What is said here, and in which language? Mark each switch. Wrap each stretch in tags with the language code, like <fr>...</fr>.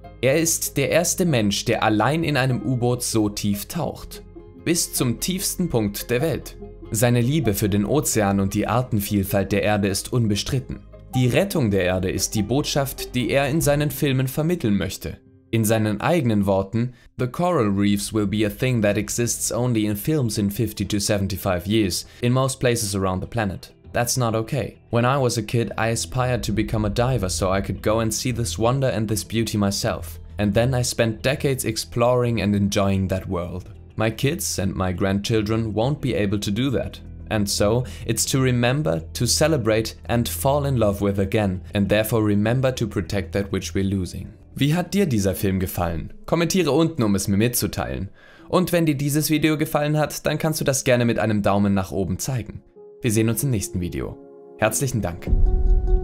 <de>Er ist der erste Mensch, der allein in einem U-Boot so tief taucht. Bis zum tiefsten Punkt der Welt. Seine Liebe für den Ozean und die Artenvielfalt der Erde ist unbestritten. Die Rettung der Erde ist die Botschaft, die er in seinen Filmen vermitteln möchte. In seinen eigenen Worten:</de> <en>"The coral reefs will be a thing that exists only in films in 50 to 75 years, in most places around the planet. That's not okay. When I was a kid, I aspired to become a diver so I could go and see this wonder and this beauty myself. And then I spent decades exploring and enjoying that world. My kids and my grandchildren won't be able to do that. And so, it's to remember, to celebrate and fall in love with again and therefore remember to protect that which we're losing."</en> <de>Wie hat dir dieser Film gefallen? Kommentiere unten, um es mir mitzuteilen. Und wenn dir dieses Video gefallen hat, dann kannst du das gerne mit einem Daumen nach oben zeigen. Wir sehen uns im nächsten Video. Herzlichen Dank.</de>